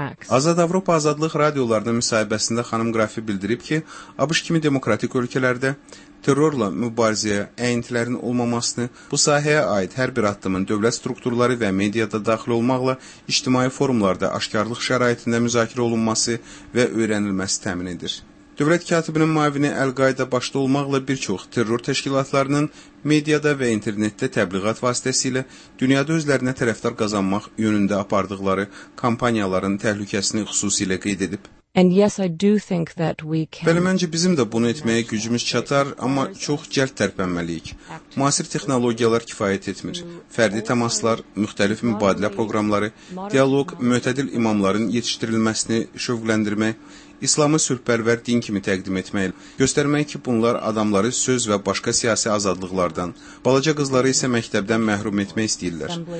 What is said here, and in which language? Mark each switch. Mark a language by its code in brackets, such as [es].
[az] Azad Avropa Azadlıq Radiolarının müsahibəsində xanım Grafi bildirir ki, ABŞ kimi demokratik ölkələrdə terrorla mübarizəyə əyintilərin olmamasını, bu sahəyə aid hər bir addımın dövlət strukturları və mediada daxil olmaqla ictimai forumlarda aşkarlıq şəraitində müzakirə olunması və öyrənilməsi təmin edir. Dövlət katibinin mavini Əl-Qaida başda olmaqla bir çox terror təşkilatlarının mediada və internetdə təbliğat vasitəsilə dünyada özlərinə tərəfdar qazanmaq yönündə apardıqları kampaniyaların təhlükəsini xüsusilə qeyd edib. [en] And yes, I do think that we can. [az] Bəli, məncə bizim də bunu etməyə gücümüz çatar, amma çox cəld tərpənməliyik. Müasir texnologiyalar kifayət etmir. Fərdi təmaslar, müxtəlif mübadilə proqramları, dialoq, mötədil imamların yetişdirilməsini şövqləndirmək, İslamı sülhpərvər din kimi təqdim etmək, göstərmək ki, bunlar adamları söz və başqa siyasi azadlıqlardan, balaca qızları isə məktəbdən məhrum etmək istəyirlər.